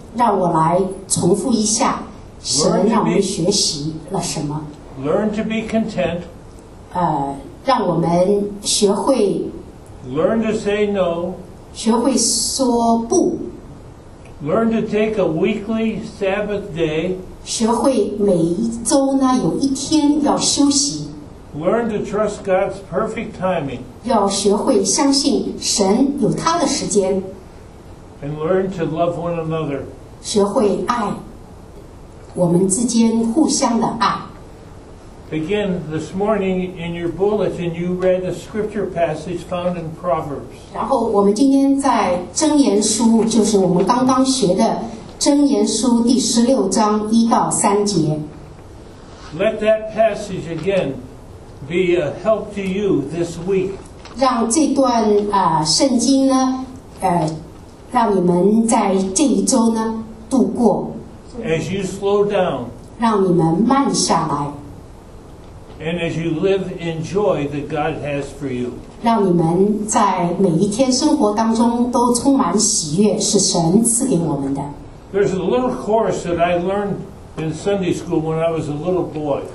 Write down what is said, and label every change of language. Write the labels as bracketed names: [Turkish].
[Chinese] 让我来重复一下，神让我们学习了什么？ [English] Learn to be content. [Chinese] 让我们学会。 [English] Learn to say no. [Chinese] 学会说不。 [English] Learn to take a weekly Sabbath day. [Chinese] 学会每一周呢有一天要休息。 [English] Learn to trust God's perfect timing. [Chinese] 要学会相信神有他的时间。 [English] And learn to love one another. [Chinese] 学会爱我们之间互相的爱。 [English] Again, this morning in your bulletin, you read a scripture passage found in Proverbs. [Chinese] 然后我们今天在箴言书，就是我们刚刚学的箴言书第十六章一到三节。 [English] Let that passage again be a help to you this week. [Chinese] 让这段圣经呢，让你们在这一周呢度过。 [English] As you slow down. [Chinese] 让你们慢下来。 [English] And as you live in joy that God has for you. [Chinese] 让你们在每一天生活当中都充满喜悦，是神赐给我们的。 [English] There's a little chorus that I learned in Sunday school when I was a little boy.